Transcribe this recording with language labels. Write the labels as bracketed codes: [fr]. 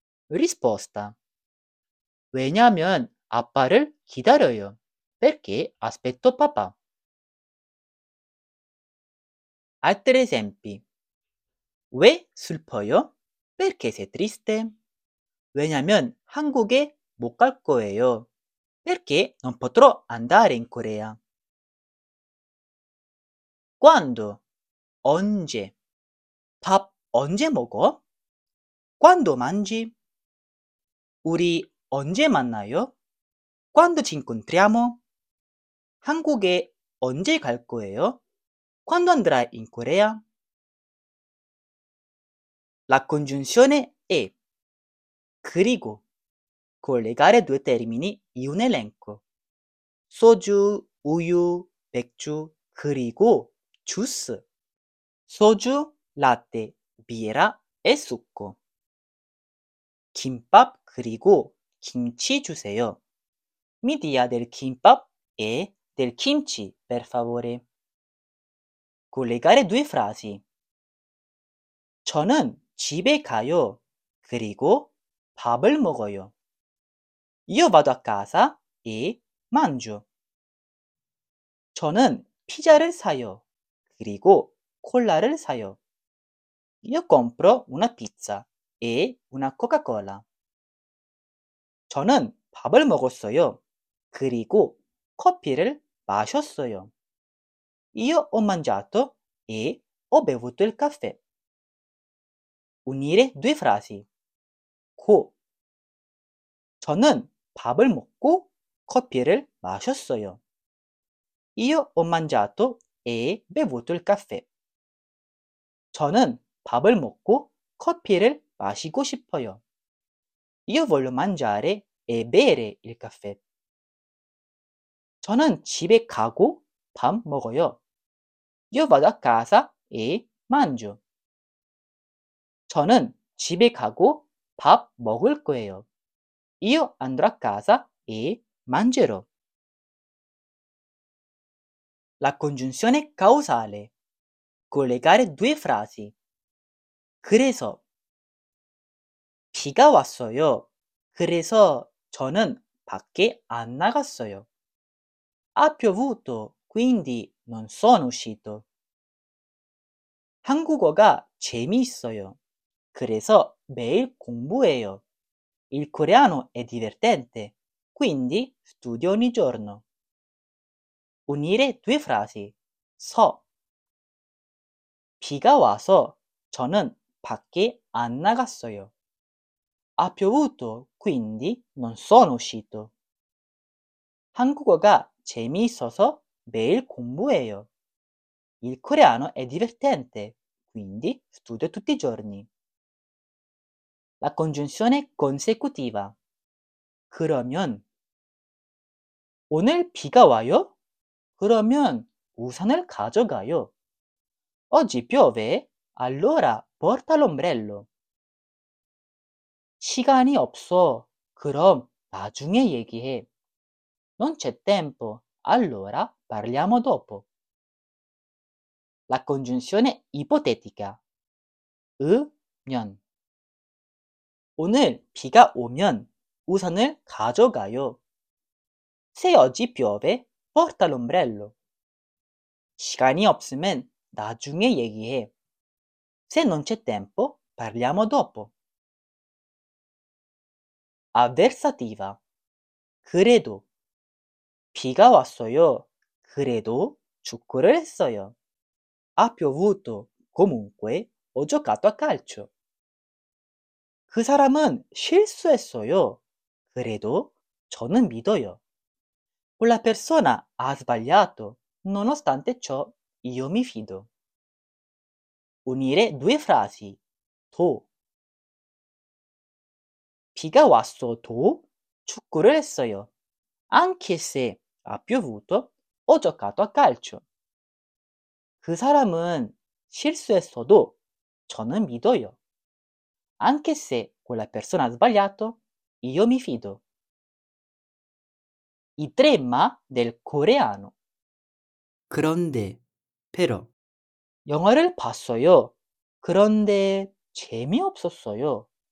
[ko] Risposta. 왜냐면 아빠를 기다려요. [it] Perché aspetto papà? Altri esempi. [ko] Vè 슬퍼요? [it] Perché sei triste? [ko] 왜냐면 한국에 못 갈 거예요. [it] Perché non potrò andare in Corea. Quando? Onge? Pap onge mogo? Quando mangi? [ko] Uri onge mannayo? [it] Quando ci incontriamo? [ko] 한국에 언제 갈 거예요? [it] Quando andrai in Corea? La congiunzione è 그리고 collegare due termini in un elenco. [ko] 소주, 우유, 맥주, 그리고 주스. 소주, 라떼, 비에라, [it] e succo. [ko] 김밥 그리고 김치 주세요. [it] Mi dia del kimbap e del kimchi, per favore. Collegare due frasi. [ko] 저는 집에 가요. 그리고 밥을 먹어요. [it] Io vado a casa e mangio. [ko] 저는 피자를 사요. 그리고 콜라를 사요. [it] Io compro una pizza e una Coca-Cola. [ko] 저는 밥을 먹었어요. 그리고 커피를 마셨어요. [it] Io ho mangiato e ho bevuto il caffè. Unire due frasi. 고. [ko] 저는 밥을 먹고 커피를 마셨어요. [it] Io ho mangiato e bevuto il caffè. [ko] 저는 밥을 먹고 커피를 마시고 싶어요. [it] Io voglio mangiare e bere il caffè. [ko] 저는 집에 가고 밥 먹어요. [it] Io vado a casa e mangio. [ko] 저는 집에 가고 밥 먹을 거예요. [it] Io andrò a casa e mangerò. La congiunzione causale. Collegare due frasi. [ko] 그래서 비가 왔어요. 그래서 저는 밖에 안 나갔어요. [it] Ha piovuto, quindi non sono uscito. [ko] 한국어가 재미있어요. 그래서 매일 공부해요. [it] Il coreano è divertente, quindi studio ogni giorno. Unire due frasi. [ko] 서 비가 와서 저는 밖에 안 나갔어요. [it] Ha piovuto, quindi non sono uscito. [ko] 한국어가 재미있어서 매일 공부해요. [it] Il coreano è divertente, quindi studio tutti i giorni. La congiunzione consecutiva. [ko] 그러면 오늘 비가 와요? 그러면 우산을 가져가요. [it] Oggi piove? Allora porta l'ombrello. [ko] 시간이 없어. 그럼 나중에 얘기해. [it] Non c'è tempo. Allora parliamo dopo. La congiunzione ipotetica. [ko] 으면 오늘 비가 오면 우산을 가져가요. [it] Se oggi piove, porta l'ombrello. [ko] 시간이 없으면 나중에 얘기해. [it] Se non c'è tempo, parliamo dopo. Avversativa. [ko] 그래도 비가 왔어요. 그래도 축구를 했어요. [it] Ha piovuto. Comunque, ho giocato a calcio. [ko] 그 사람은 실수했어요. 그래도 저는 믿어요. [it] Quella persona ha sbagliato. Nonostante ciò, io mi fido. Unire due frasi. [ko] 도 비가 왔어도 축구를 했어요. [it] Anche se ha piovuto, ho giocato a calcio. [ko] 그 사람은 실수했어도 저는 믿어요. [it] Anche se quella persona ha sbagliato, io mi fido. I tre ma del coreano. [ko] 그런데, però. 영화를 봤어요. 그런데 재미없었어요.